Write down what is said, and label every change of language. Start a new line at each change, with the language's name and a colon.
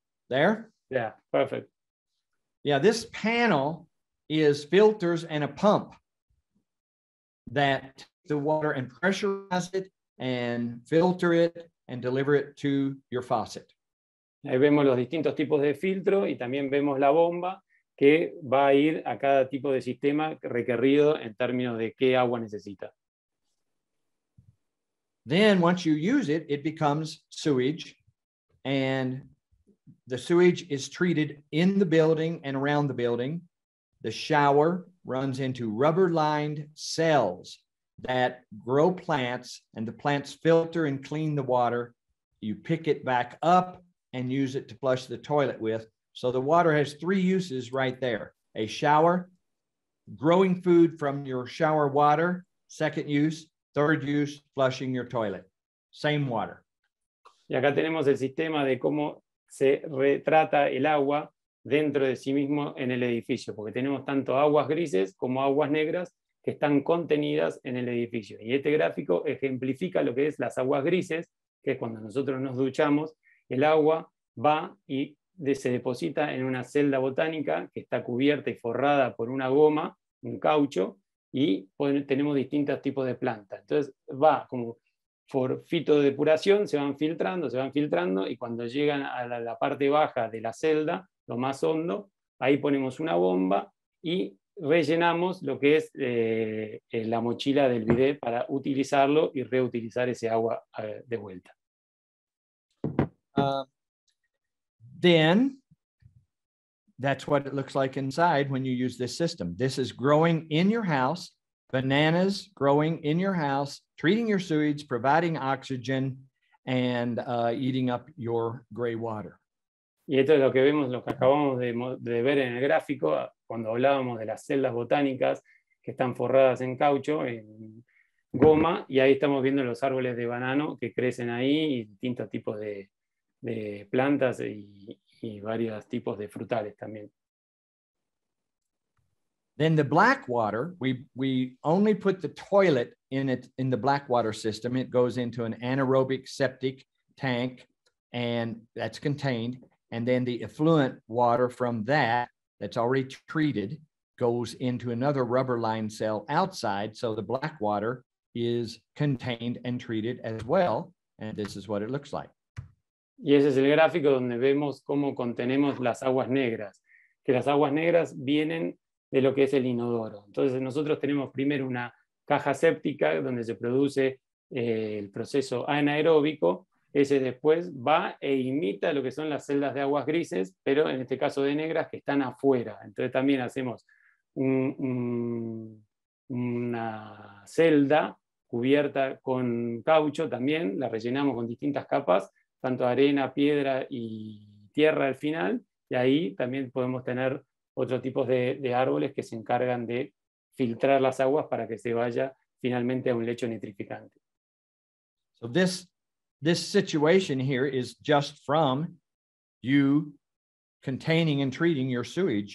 English: There? Yeah, perfect. Yeah, this panel is filters and a pump that the water and pressurize it and filter it and deliver it to your faucet.
Spanish: Ahí vemos los distintos tipos de filtro y también vemos la bomba que va a ir a cada tipo de sistema requerido en términos de qué agua necesita.
English: Then once you use it, it becomes sewage and the sewage is treated in the building and around the building. The shower runs into rubber-lined cells that grow plants and the plants filter and clean the water. You pick it back up and use it to flush the toilet with. So the water has three uses right there. A shower, growing food from your shower water, second use, third use, flushing your toilet. same water.
Spanish: Y acá tenemos el sistema de cómo se retrata el agua dentro de sí mismo en el edificio, porque tenemos tanto aguas grises como aguas negras que están contenidas en el edificio. Y este gráfico ejemplifica lo que es las aguas grises, que es cuando nosotros nos duchamos, el agua va y se deposita en una celda botánica que está cubierta y forrada por una goma, un caucho, y tenemos distintos tipos de plantas. Entonces va como por fitodepuración, se van filtrando, y cuando llegan a la parte baja de la celda, lo más hondo, ahí ponemos una bomba y rellenamos lo que es la mochila del bidet para utilizarlo y reutilizar ese agua de vuelta.
English: Then, that's what it looks like inside when you use this system. This is growing in your house, bananas growing in your house, treating your sewage, providing oxygen, and eating up your gray water. Y esto es lo que vemos, lo que acabamos de ver en el gráfico, cuando hablábamos de las celdas botánicas que están forradas en caucho, en goma, y ahí estamos viendo los árboles de banano que crecen ahí, y distintos tipos de plantas y varios tipos de frutales también. Then the black water, we only put the toilet in it, in the black water system. It goes into an anaerobic septic tank, and that's contained. And then the effluent water from that, that's already treated, goes into another rubber lined cell outside. So the black water is contained and treated as well. And this is what it looks like.
Spanish: Y ese es el gráfico donde vemos cómo contenemos las aguas negras. Que las aguas negras vienen de lo que es el inodoro. Entonces nosotros tenemos primero una caja séptica donde se produce el proceso anaeróbico. Ese después va e imita lo que son las celdas de aguas grises, pero en este caso de negras, que están afuera. Entonces también hacemos una celda cubierta con caucho también, la rellenamos con distintas capas, tanto arena, piedra y tierra al final, y ahí también podemos tener otro tipo de árboles que se encargan de filtrar las aguas para que se vaya finalmente a un lecho nitrificante.
English: So this situation here is just from you containing and treating your sewage.